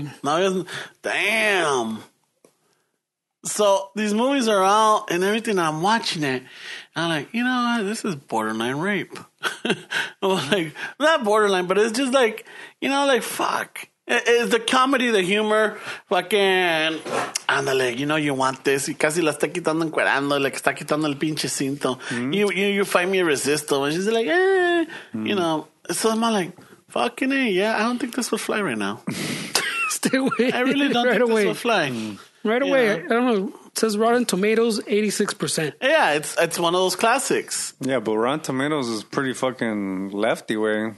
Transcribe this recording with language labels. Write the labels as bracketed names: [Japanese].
[English] güey. Damn. So these movies are out and everything, and I'm watching it. And I'm like, you know what? This is borderline rape. I'm like, not borderline, but it's just like, you know, like, fuck. It's the comedy, the humor, fucking. Andale, you know, you want this. [Spanish] Y casi la está quitando encuerando, [English] like, [Spanish] está quitando el pinche cinto. [English] Mm-hmm. You find me irresistible. And she's like, eh. Mm-hmm. You know, so I'm like, fucking A, yeah. I don't think this would fly right now. Stay away. I really don't think this would fly. Right away. Yeah. I don't know. It says Rotten Tomatoes, 86%. Yeah, it's one of those classics. Yeah, but Rotten Tomatoes is pretty fucking lefty way.